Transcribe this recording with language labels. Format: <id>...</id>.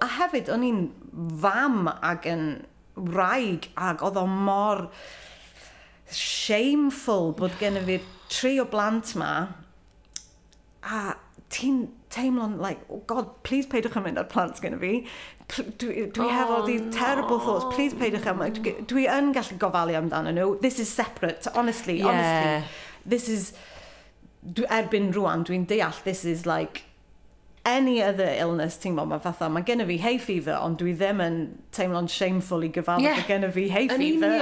<cy>A hefyd, o'n i'n fam ag yn wraig ag oedd o mor shameful bod gennym fi'r tri o blant ma a ti'n teimlo'n like,</cy> <en>oh God, please</en> <cy>peidwch yn mynd ar plant gennym fi. Dwi hefo</cy> <en>these terrible thoughts.</en> <cy>Please peidwch yn mynd. Dwi yn gallu gofalu amdano nhw.</cy> <en>This is separate. Honestly, this is...</en> <cy>Erbyn rwan, dwi'n deall,</cy> <en>this is like any other illness,</en> <cy>ti'n gwbod, mae fatha, mae gennym fi hay fever, ond dwi ddim yn teimlo'n shameful i gyfalu bod gennym fi hay fever,</cy>